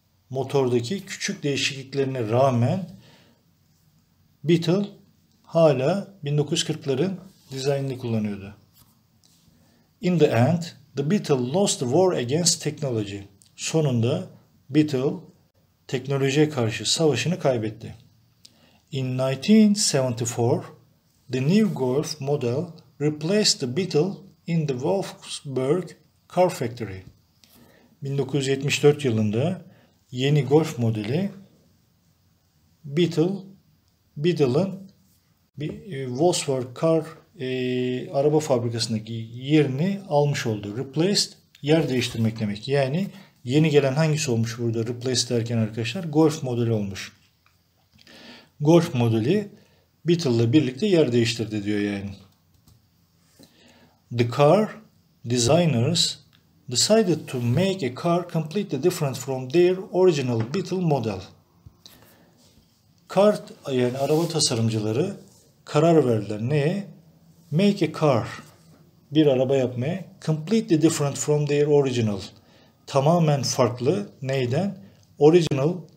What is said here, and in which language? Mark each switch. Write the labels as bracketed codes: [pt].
[tr] Motordaki küçük değişikliklerine rağmen Beetle hala 1940'ların dizaynını kullanıyordu. [en] In the end, the Beetle lost the war against technology. [tr] Sonunda Beetle teknolojiye karşı savaşını kaybetti. [en] In 1974, the new Golf model replaced the Beetle in the Wolfsburg car factory. [tr] 1974 yılında yeni Golf modeli Beetle'ın Wolfsburg car araba fabrikasındaki yerini almış oldu. Replaced, yer değiştirmek demek. Yani yeni gelen hangisi olmuş burada replaced derken arkadaşlar? Golf modeli olmuş. Golf modeli Beetle'la birlikte yer değiştirdi diyor yani. [en] The car designers decided to make a car completely different from their original Beetle model. [tr] Car, yani araba tasarımcıları karar verdiler. Neye? [en] Make a car, [tr] bir araba yapmaya, [en] completely different from their original, [tr] tamamen farklı, neyden? [en] Original